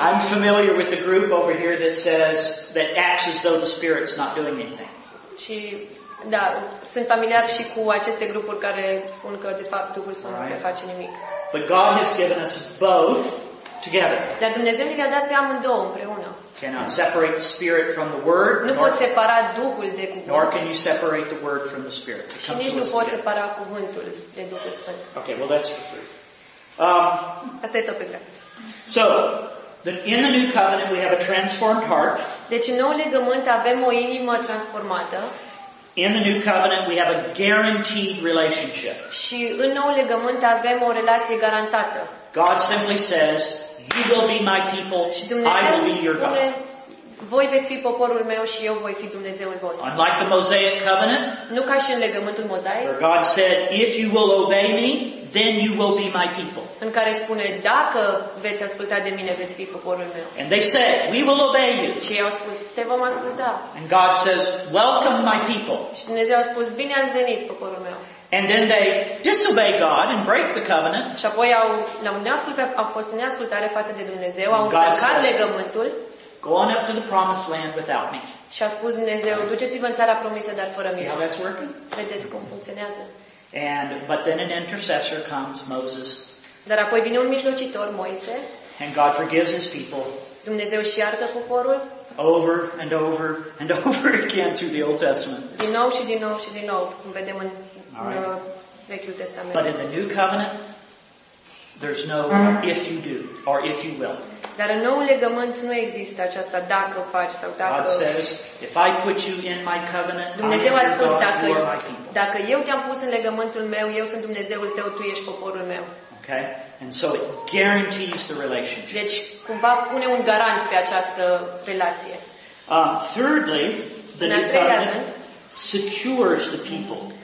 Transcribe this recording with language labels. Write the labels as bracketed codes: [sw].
[en] I'm familiar with the group over here that says that acts as though the spirit's not doing anything. [ro] Și da, sunt familiar și cu aceste grupuri care spun că de fapt Duhul Sfânt nu face nimic. [en] But God has given us both together. [ro] Dar Dumnezeu ne-a dat pe amândouă împreună. [en] Cannot separate the spirit from the word. [ro] Nu poți separa Duhul de cuvânt. [en] Nor can you separate the word from the spirit. [ro] Și nici nu poți separa cuvântul de Duhul Sfânt. [en] Okay, well that's true. [ro] Asta e tot pe drept. [en] So, That in the new covenant we have a transformed heart. [ro] Deci în noul legământ avem o inimă transformată. [en] In the new covenant we have a guaranteed relationship. [ro] Și în noul legământ avem o relație garantată. [en] God simply says, "You will be my people, I will be your God." [ro] Voi veți fi poporul meu și eu voi fi Dumnezeul vostru. [en] Unlike the Mosaic covenant, [ro] nu ca și în legământul Mosaic, [en] where God said, "If you will obey me, then you will be my people." [ro] În care spune, dacă veți asculta de mine, veți fi poporul meu. [en] And they said, "We will obey you." [ro] Și ei au spus, te vom asculta. [en] And God says, "Welcome my people." [ro] Și Dumnezeu a spus, bine ați venit, poporul meu. [en] And then they disobey God and break the covenant. [ro] Și apoi au fost neascultare față de Dumnezeu, au încălcat legământul. [en] Go on up to the promised land without me. [ro] Și a spus Dumnezeu, duceți-vă în țara promisă, dar fără mine. [en] See how that's working? [ro] Vedeți cum funcționează. [en] But then an intercessor comes, Moses. [ro] Dar apoi vine un mijlocitor, Moise. [en] And God forgives his people. [ro] Dumnezeu își iartă poporul. [en] Over and over and over again through the Old Testament. [ro] Din nou și din nou și din nou, cum vedem în Vechiul Testament. [en] But in the new covenant, there's no if you do or if you will. [ro] Dar în noul legământ nu există aceasta dacă o faci sau dacă. [en] God says, if I put you in my covenant, [ro] Dumnezeu a spus, dacă eu te-am pus în legământul meu, eu sunt Dumnezeul tău, tu ești poporul meu. [en] Okay? And so it guarantees the relationship. [ro] Deci cumva pune un garant pe această relație. [en] Thirdly, the new covenant secures the people.